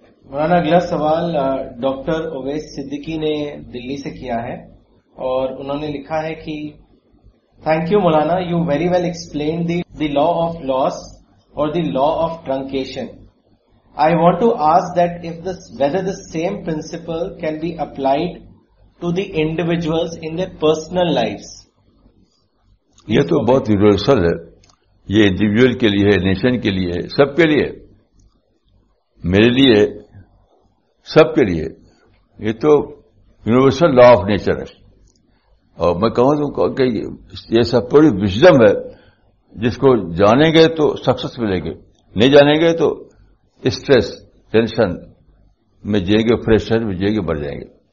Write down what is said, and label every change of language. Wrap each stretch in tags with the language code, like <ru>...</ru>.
<ur>مولانا اگلا سوال ڈاکٹر اویس صدیقی نے دلی سے کیا ہے, اور انہوں نے لکھا ہے کہ</ur> <en>Thank you Maulana, you very well explain the law of loss اور the law of truncation. I want to ask that if this whether the same principle can be applied to the individuals in their personal lives.</en> <ur>یہ تو بہت universal ہے, یہ individual کے لیے, nation کے لیے, سب کے لیے, میرے لیے, سب کے لیے, یہ تو یونیورسل لا آف نیچر ہے. اور میں کہوں تو کہ یہ سب پوری وژڈم ہے, جس کو جانیں گے تو سکسس ملے گی, نہیں جانیں گے تو اسٹریس ٹینشن میں جائیں گے, فریشر میں جائیں گے, بڑھ جائیں گے.</ur>